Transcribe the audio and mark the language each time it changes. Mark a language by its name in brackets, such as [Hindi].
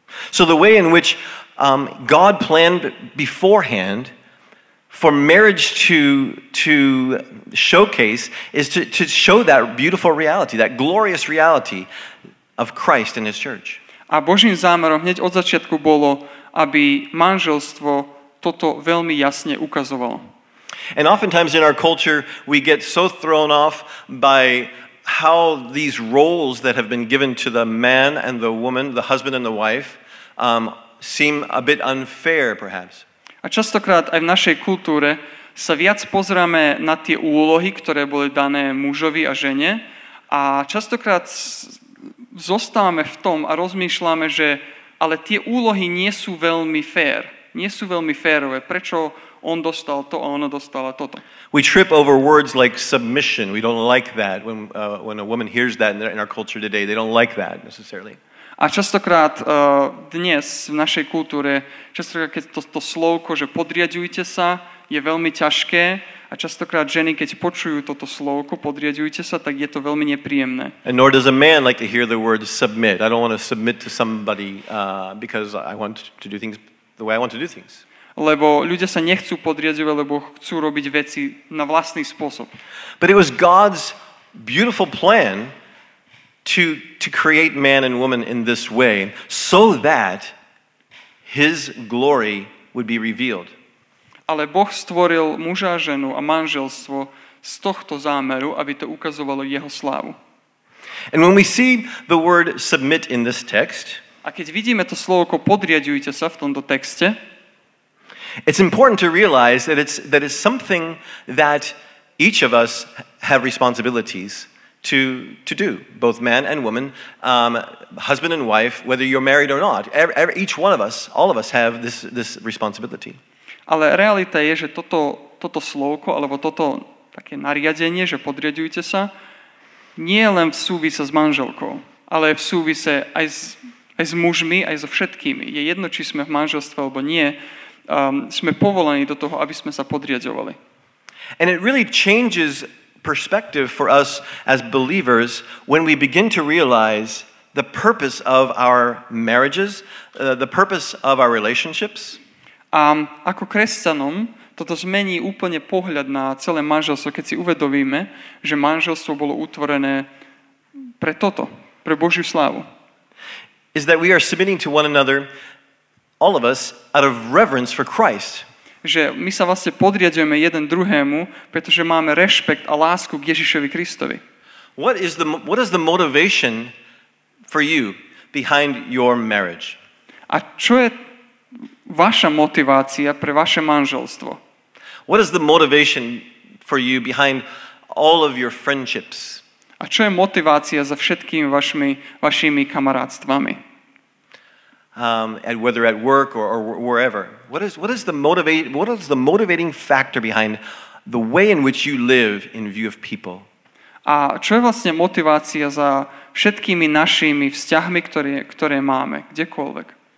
[English] So the way in which God planned beforehand for marriage to showcase is to show that beautiful reality, that glorious reality of Christ and his church. [Slovak] A Božím zámerom hneď od začiatku bolo, aby manželstvo toto veľmi jasne ukazovalo. [English] And oftentimes in our culture we get so thrown off by how these roles that have been given to the man and the woman, the husband and the wife, seem a bit unfair perhaps. [Slovak] A častokrát aj v našej kultúre sa viac pozeráme na tie úlohy, ktoré boli dané mužovi a žene, a častokrát zostávame v tom a rozmýšľame, že ale tie úlohy nie sú veľmi fair. Nie sú veľmi férové. Prečo on dostal to a ona dostala toto? [English] We trip over words like submission. We don't like that. When a woman hears that in our culture today, they don't like that necessarily. [Slovak] A častokrát dnes v našej kultúre, častokrát keď to slovko, že podriadujte sa, je veľmi ťažké a častokrát ženy, keď počujú toto slovko, podriadujte sa, tak je to veľmi nepríjemné. [English] And nor does a man like to hear the word submit. I don't want to submit to somebody because I want to do things the way I want to do things. [Slovak] Lebo ľudia sa nechcú podriadiť, lebo chcú robiť veci na vlastný spôsob. [English] But it was God's beautiful plan to create man and woman in this way so that his glory would be revealed. [Slovak] Ale Boh stvoril muža a ženu a manželstvo z tohto zámeru, aby to ukazovalo jeho slávu. [English] And when we see the word submit in this text, [Slovak] a keď vidíme to slovo podriadujte sa v tomto texte, [English] it's important to realize that it's something that each of us have responsibilities to do, both man and woman, husband and wife, whether you're married or not. Each one of us, all of us have this responsibility. [Slovak] Ale realita je, že toto slovko, alebo toto také nariadenie, že podriadujte sa, nie je len v súvise s manželkou, ale v súvise aj s mužmi, aj so všetkými. Je jedno, či sme v manželstve, alebo nie, sme povolení do toho, aby sme sa podriadovali. [English] And it really changes perspective for us as believers when we begin to realize the purpose of our marriages, the purpose of our relationships. [Slovak] A ako kresťanom toto zmení úplne pohľad na celé manželstvo, keď si uvedomíme, že manželstvo bolo utvorené pre toto, pre Božiu slávu. [English] Is that we are submitting to one another, all of us, out of reverence for Christ. [Slovak] Že my sa vlastne podriadujeme jeden druhému, pretože máme rešpekt a lásku k Ježišovi Kristovi. [English] What is the motivation for you behind your marriage? [Slovak] A čo je vaša motivácia pre vaše manželstvo? [English] What is the motivation for you behind all of your friendships? [Slovak] A čo je motivácia za všetkými vašimi kamarátstvami? [English] And whether at work or wherever, what is the motivating factor behind the way in which you live in view of people? [Slovak] A čo je vlastne motivácia za všetkými našimi vzťahmi, ktoré máme kdekoľvek?